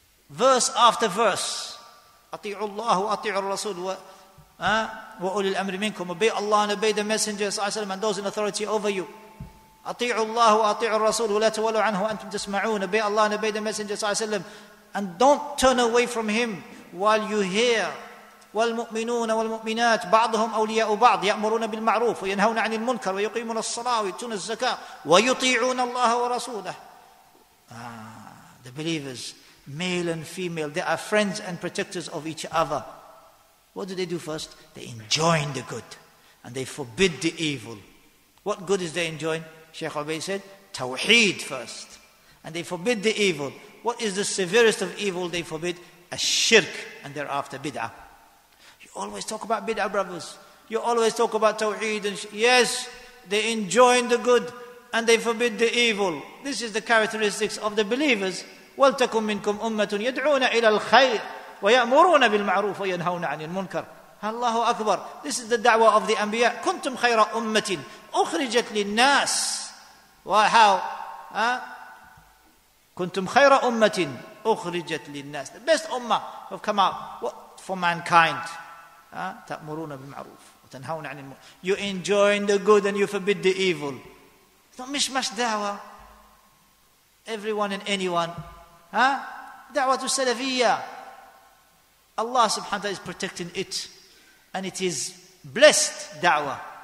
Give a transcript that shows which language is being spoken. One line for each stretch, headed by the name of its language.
English: Verse after verse.
Arabic: أَطِيعُ اللَّهُ وَأَطِيعُ الرَّسُولُ وَأُولِي الْأَمْرِ مِنْكُمْ.
English: Obey Allah and obey the Messenger Sallallahu Alaihi Wasallam and those in authority over you.
Arabic: أَطِيعُ اللَّهُ وَأَطِيعُ الرَّسُولُ وَلَا تَوَلُوا عَنْهُ وَأَنْتُمْ تَسْمَعُونَ.
English: Obey Allah and obey the Messenger Sallallahu Alaihi Wasallam and don't turn away from him while you hear.
Arabic: والمؤمنون والمؤمنات بعضهم أولياء بعض يأمرون بالمعروف وينهون عن المنكر ويقيمون الصلاة ويؤتون الزكاة ويطيعون الله ورسوله.
English: The believers, male and female, they are friends and protectors of each other. What do they do first? They enjoin the good and they forbid the evil. What good is they enjoin? Shaykh Abay said, Tawheed first. And they forbid the evil. What is the severest of evil they forbid? Ash-shirk and thereafter bid'ah. Always talk about bid'ah, brothers. You always talk about tawheed. Yes, they enjoin the good and they forbid the evil. This is the characteristics of the believers.
Arabic: وَلْتَكُمْ مِنْكُمْ أُمَّةٌ يَدْعُونَ إِلَى الْخَيْرِ وَيَأْمُرُونَ بِالْمَعْرُوفِ وَيَنْهَوْنَ عَنِ الْمُنْكَرِ. Allahu Akbar.
English: This is the da'wah of the anbiya.
Arabic: كُنْتُمْ خَيْرَ أُمَّةٍ أُخْرِجَتْ لِلنَّاسِ.
English: How?
Arabic: كُنْتُمْ خَيْرَ أُمَّةٍ أُخْرِجَتْ لِلنَّاسِ.
English: The best ummah who have come out for mankind.
Arabic: تأمرون بالمعروف وتنهون عن المنكر.
English: You enjoin the good and you forbid the evil. It's not mishmash da'wah. Everyone and anyone. Da'wah al-Salafiyyah. Allah subhanahu wa ta'ala is protecting it. And it is blessed da'wah.